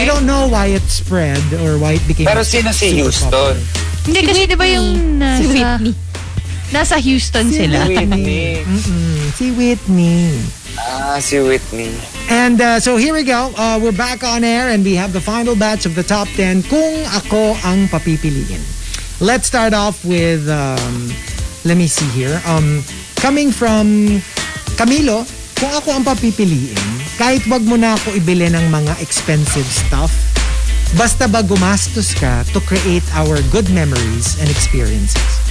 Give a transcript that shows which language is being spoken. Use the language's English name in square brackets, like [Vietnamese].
[English] So we don't know why it spread or why it became. [Filipino] Pero sino si Houston? Popular. Hindi kasi di ba yung nasa Whitney? Nasa Houston si sila. Si Whitney. Si Whitney. See Whitney. [English] And so here we go. We're back on air and we have the final batch of the top 10. [Filipino] Kung ako ang papipiliin. [English] Let's start off with, let me see here. Coming from Camilo, [Filipino] kung ako ang papipiliin, kahit wag mo na ako ibili ng mga expensive stuff, basta ba gumastos ka [English] to create our good memories and experiences.